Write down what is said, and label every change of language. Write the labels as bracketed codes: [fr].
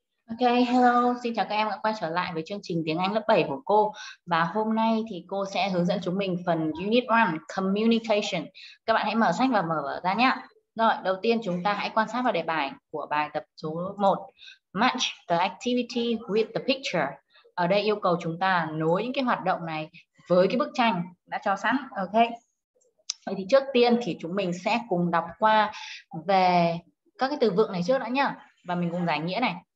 [vi] Ok, hello, xin chào các em đã quay trở lại với chương trình tiếng Anh lớp 7 của cô. Và hôm nay thì cô sẽ hướng dẫn chúng mình phần Unit 1, Communication. Các bạn hãy mở sách và mở vở ra nhé. Rồi, đầu tiên chúng ta hãy quan sát vào đề bài của bài tập số 1. [en] Match the activity with the picture. [vi] Ở đây yêu cầu chúng ta nối những cái hoạt động này với cái bức tranh đã cho sẵn. Ok, vậy thì trước tiên thì chúng mình sẽ cùng đọc qua về các cái từ vựng này trước đã nhá. Và mình cùng giải nghĩa này.